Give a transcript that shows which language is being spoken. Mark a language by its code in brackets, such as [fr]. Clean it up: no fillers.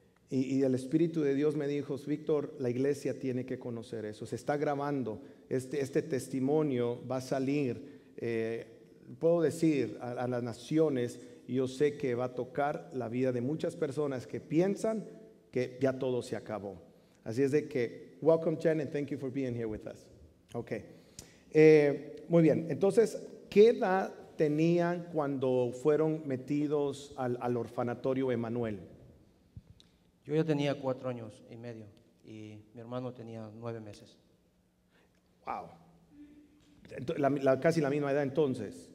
[es] Y el Espíritu de Dios me dijo: Víctor, la iglesia tiene que conocer eso. Se está grabando, este testimonio va a salir, puedo decir, a las naciones. Yo sé que va a tocar la vida de muchas personas que piensan que ya todo se acabó. Así es de que, [en] welcome, Jen, and thank you for being here with us. Okay. [es] Muy bien, entonces, ¿qué edad tenían cuando fueron metidos al orfanatorio Emmanuel? Yo ya tenía 4 años y medio y mi hermano tenía 9 meses. Wow. Casi la misma edad entonces.